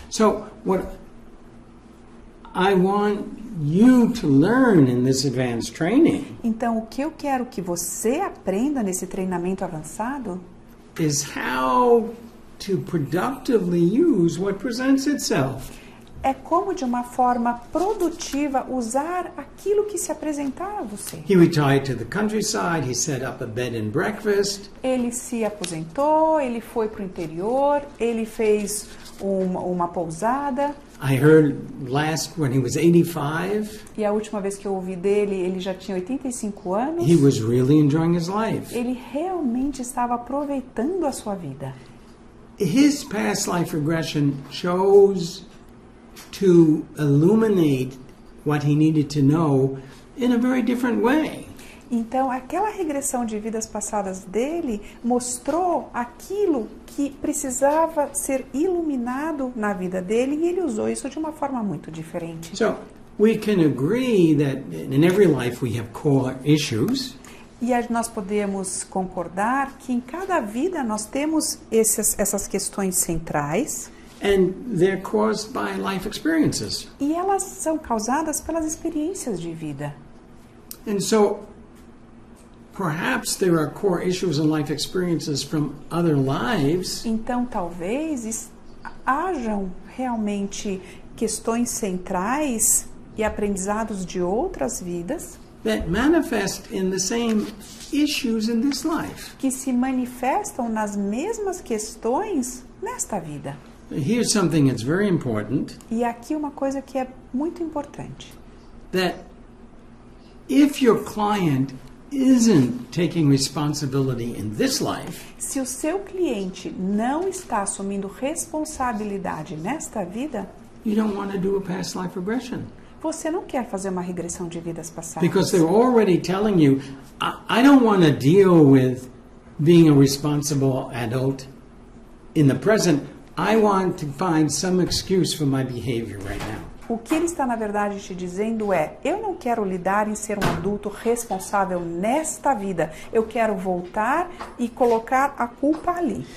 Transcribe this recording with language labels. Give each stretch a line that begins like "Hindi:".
English: So, what I want you to learn in this advanced training.
Portuguese: Então, o que eu quero que você aprenda nesse treinamento avançado
English: is how to productively use what presents itself.
Portuguese: É como, de uma forma produtiva, usar aquilo que se apresentar a você.
English: He retired to the countryside. He set up a bed and breakfast.
Portuguese: Ele se aposentou, ele foi para o interior, ele fez uma pousada.
English: I heard last when he was 85.
Portuguese: E a última vez que eu ouvi dele, ele já tinha 85 anos.
English: He was really enjoying his life.
Portuguese: Ele realmente estava aproveitando a sua vida.
English: His past life regression shows to illuminate what he needed to know in a very different way.
Portuguese: Então, aquela regressão de vidas passadas dele mostrou aquilo que precisava ser iluminado na vida dele e ele usou isso de uma forma muito diferente.
English: So, we can agree that in every life we have core issues.
Portuguese: E nós podemos concordar que em cada vida nós temos essas questões centrais.
English: And they're caused by life experiences.
Portuguese: E elas são causadas pelas experiências de vida.
English: And so, perhaps there are core issues and life experiences from other lives.
Portuguese: Então, talvez hajam realmente questões centrais e aprendizados de outras vidas
English: that manifest in the same issues in this life.
Portuguese: Que se manifestam nas mesmas questões nesta vida.
English: Here's something that's very important.
Portuguese: E aqui uma coisa que é muito importante.
English: That if your client isn't taking responsibility in this life,
Portuguese: se o seu cliente não está assumindo responsabilidade nesta vida,
English: you don't want to do a past life regression.
Portuguese: Você não quer fazer uma regressão de vidas passadas.
English: Because they're already telling you, I don't want to deal with being a responsible adult in the present. I want to find some excuse for my behavior right now.
Portuguese: O que ele está, na verdade, te dizendo é, eu não quero lidar em ser um adulto responsável nesta vida. Eu quero voltar e colocar a culpa ali.